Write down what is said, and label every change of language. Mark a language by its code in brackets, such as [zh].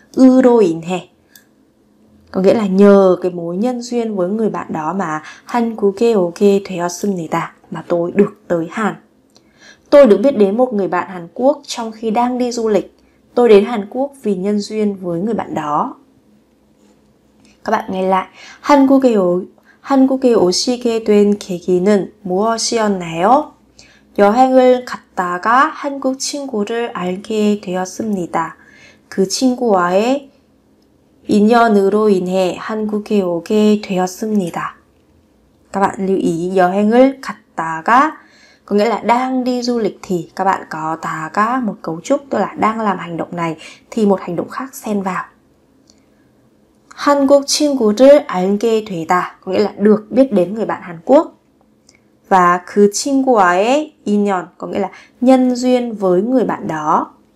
[ko] 으로 인해 [vi] có nghĩa là nhờ cái mối nhân duyên với người bạn đó mà [ko] 한국에 오게 되었습니다. [vi] Mà tôi được tới Hàn. Tôi được biết đến một người bạn Hàn Quốc trong khi đang đi du lịch. Tôi đến Hàn Quốc vì nhân duyên với người bạn đó. Các bạn nghe lại. [ko] 한국에 오시게 된 계기는 무엇이었나요? 여행을 갔다가 한국 친구를 알게 되었습니다. 그 친구와의 인연으로 인해 한국에 오게 되었습니다. [vi] các bạn lưu ý [ko] 여행을 갔다가 [vi] có nghĩa là đang đi du lịch thì các bạn có 다가 một cấu trúc tức là đang làm hành động này thì một hành động khác xen vào. [ko] 한국 친구를 알게 되다 [vi] có nghĩa là được biết đến người bạn Hàn Quốc và [ko] 그 친구와의 인연 [vi] có nghĩa là nhân duyên với người bạn đó.